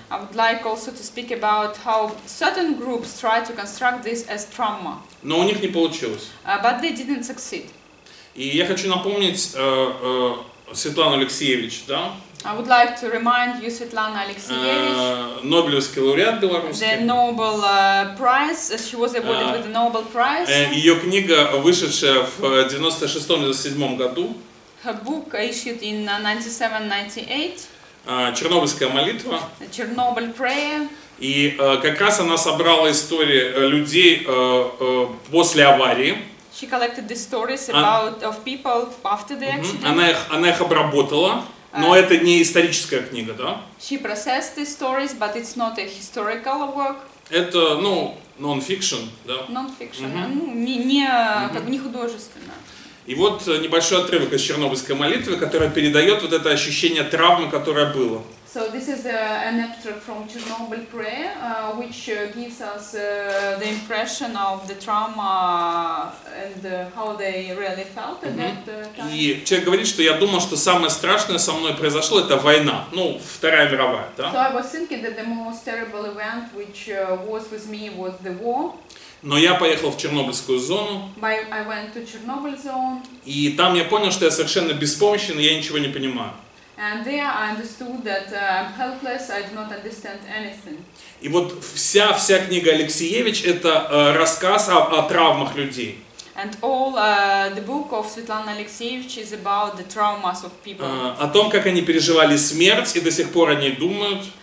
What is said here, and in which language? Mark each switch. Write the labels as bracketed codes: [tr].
[en] I would like also to speak about how certain groups try to construct this as trauma. [ru] Но у них не получилось. [en] But they didn't succeed. [ru] И я хочу напомнить Светлану Алексеевич, да? [en] I would like to remind you, Светлана Алексеевич, [ru] Нобелевский лауреат белорусский. [en] The Nobel Prize, she was awarded with the Nobel Prize. [ru] Ее книга, вышедшая в 96-97 году. [en] Her book issued in 97-98. [ru] Чернобыльская молитва. [en] Chernobyl prayer. [ru] И как раз она собрала истории людей после аварии. [en] She collected the stories about of people after the accident. [ru] Она их обработала. Но это не историческая книга, да? [en] She processed the stories, but it's not a historical work. [ru] Это, ну, non-fiction, да? Non-fiction, как бы не художественно. И вот небольшой отрывок из Чернобыльской молитвы, которая передает вот это ощущение травмы, которое было. [en] So this is an abstract from Chernobyl prayer, which gives us the impression of the trauma and how they really felt at that time. [ru] И человек говорит, что я думал, что самое страшное со мной произошло, это война, ну, Вторая мировая, да? [en] So I was thinking that the most terrible event which was with me was the war. [ru] Но я поехал в Чернобыльскую зону. [en] I went to Chernobyl zone. [ru] И там я понял, что я совершенно беспомощен, и я ничего не понимаю. [en] And there I understood that I'm helpless, I do not understand anything. [ru] И вот вся книга Алексеевич — это рассказ о травмах людей. [en] And all the book of Svetlana Alexievich is about the traumas of people. [ru] О том, как они переживали смерть, и до сих пор они думают.